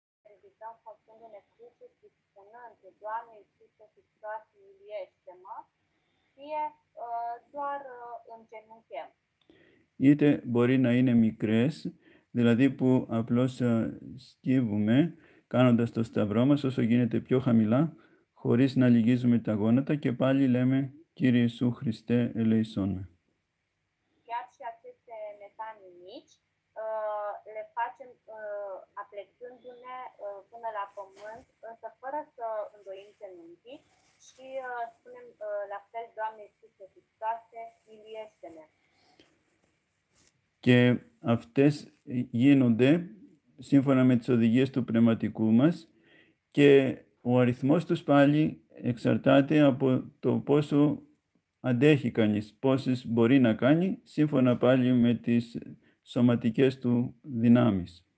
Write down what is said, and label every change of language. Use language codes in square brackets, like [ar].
[ro] ridicăm făcându-ne cruce și spunând, Doamne Iisuse Hristos, miliește-mă, fie doar îngenunchem. [el] Ite μπορεί να είναι μικρές, δηλαδή που απλώς σκύβουμε, κάνοντας το σταυρό μας όσο γίνεται πιο χαμηλά, χωρίς να λυγίζουμε τα γόνατα και πάλι λέμε «Κύριε Ιησού Χριστέ, ελεησόν με». [ro] Chiar și aceste metanii mici le facem aplecându-ne până la pământ, însă fără să îndoim genunchii și spunem la fel, Doamne Iisuse Hristoase, miliește-ne. [el] Και αυτές γίνονται σύμφωνα με τις οδηγίες του πνευματικού μας και ο αριθμός τους πάλι εξαρτάται από το πόσο αντέχει κανείς, πόσες μπορεί να κάνει σύμφωνα πάλι με τις σωματικές του δυνάμεις.